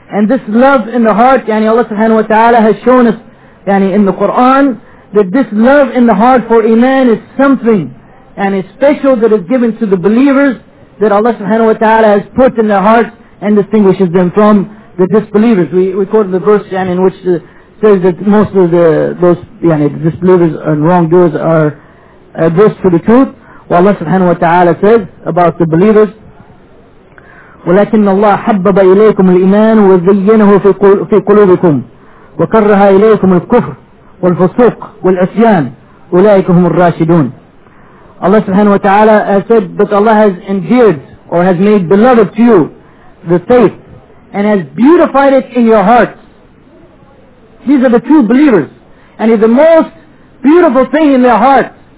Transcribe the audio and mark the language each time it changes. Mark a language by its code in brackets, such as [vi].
[en] And this love in the heart, yani, Allah subhanahu wa ta'ala has shown us yani, in the Quran, that this love in the heart for iman is something and is special that is given to the believers that Allah subhanahu wa ta'ala has put in their hearts and distinguishes them from the disbelievers. We quote the verse yani, in which says that most of the disbelievers and wrongdoers are adverse to the truth. Well, Allah subhanahu wa ta'ala says about the believers, [ar] وَلَكِنَّ اللَّهَ حَبَّبَ إِلَيْكُمُ الْإِمَانُ وَزَيَّنَهُ فِي قُلُوبِكُمْ وَكَرَّهَ إِلَيْكُمُ الْكُفْرِ وَالْفُسُوقِ وَالْعِسْيَانِ أُولَٰئِكَ هُمُ الرَّاشِدُونَ. [en] Allah subhanahu wa ta'ala has said that Allah has endeared or has made beloved to you the faith and has beautified it in your hearts. These are the true believers. And it's the most beautiful thing in their hearts.